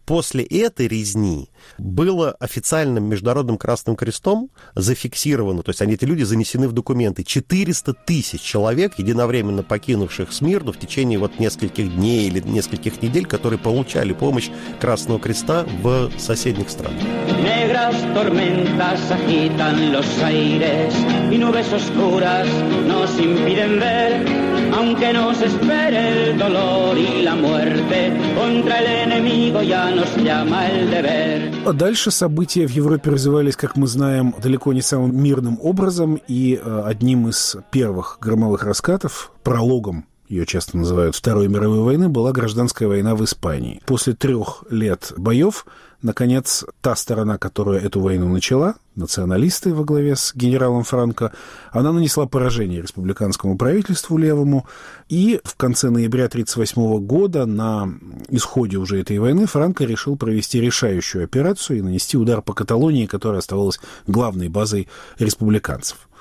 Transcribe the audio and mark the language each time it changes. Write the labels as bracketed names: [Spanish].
[Russian] После этой резни было официальным Международным Красным Крестом зафиксировано, то есть они, эти люди, занесены в документы, 400 тысяч человек, единовременно покинувших Смирну в течение вот нескольких дней или нескольких недель, которые получали помощь Красного Креста в соседних странах. [Spanish] Negras tormentas agitan los aires y nubes oscuras nos impiden ver, aunque nos espere el dolor y la muerte, contra el enemigo ya nos llama el deber. [Russian] Дальше события в Европе развивались, как мы знаем, далеко не самым мирным образом, и одним из первых громовых раскатов, прологом, ее часто называют, Второй мировой войны, была гражданская война в Испании. После 3 лет боев, наконец, та сторона, которая эту войну начала, националисты во главе с генералом Франко, она нанесла поражение республиканскому правительству левому, и в конце ноября 1938 года, на исходе уже этой войны, Франко решил провести решающую операцию и нанести удар по Каталонии, которая оставалась главной базой республиканцев.